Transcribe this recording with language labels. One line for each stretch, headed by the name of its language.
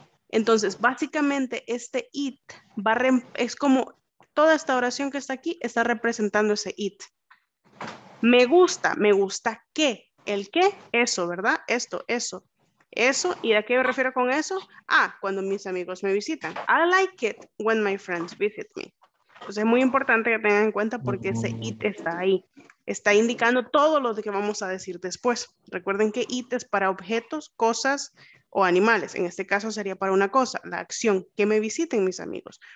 Spanish: Entonces, básicamente, este it va a es como toda esta oración que está aquí está representando ese it. Me gusta qué. ¿El qué? Eso, ¿verdad? Esto, eso. Eso, ¿y a qué me refiero con eso? Ah, cuando mis amigos me visitan.
English: I like it when my friends visit me.
Spanish: Entonces, es muy importante que tengan en cuenta porque ese it está ahí. Está indicando todo lo que vamos a decir después. Recuerden que it es para objetos, cosas o animales. En este caso sería para una cosa, la acción, que me visiten mis amigos.